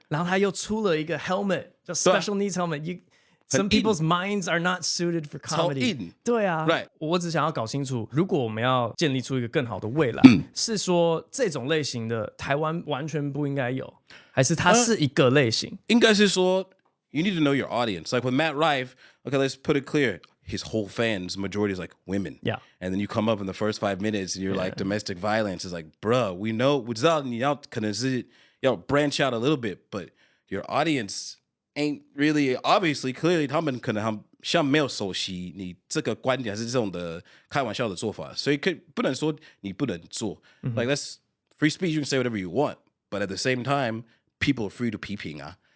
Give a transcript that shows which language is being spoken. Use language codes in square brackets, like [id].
[zh] 然后他又出了一个 [en] Helmet 叫 Special Needs Helmet you, Some people's minds are not suited for comedy [zh] 超硬对啊、 [en] right. [zh] 我只想要搞清楚如果我们要建立出一个更好的未来、是说这种类型的台湾完全不应该有还是它是一个类型、应该是说 [en] You need to know your audience. Like with Matt Rife, okay, let's put it clear. His whole fans, majority is like women. Yeah. And then you come up in the first 5 minutes and you're like, domestic violence is like, bruh, we know, branch out a little bit, but your audience ain't really, obviously, clearly, [zh] 他们可能像没有熟悉你这个观点还是这种的开玩笑的做法。所以可以不能说你不能做。 [en] Like that's free speech, you can say whatever you want. But at the same time, people are free to [zh] 批评啊。